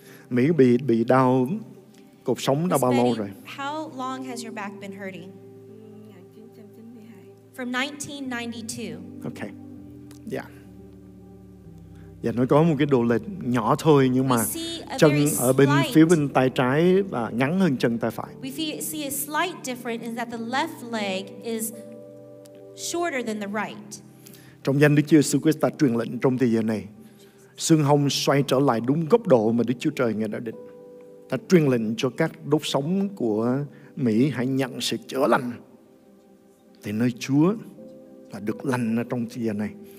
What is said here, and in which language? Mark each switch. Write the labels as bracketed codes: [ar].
[vi] Mỹ bị đau cột sống đã bao lâu rồi? [en] How long has your back been hurting? From 1992. Okay. [vi] Yeah. Dạ, nó có một cái độ lệch nhỏ thôi nhưng mà chân ở bên phía bên tay trái và ngắn hơn chân tay phải. [en] We see a slight difference in that the left leg is shorter than the right. [vi] Trong danh Đức Chúa Jesus Christ, ta truyền lệnh trong thời gian này, xương hông xoay trở lại đúng góc độ mà Đức Chúa Trời Ngài đã định. Ta truyền lệnh cho các đốt sống của Mỹ hãy nhận sự chữa lành từ nơi Chúa và được lành ở trong thời gian này.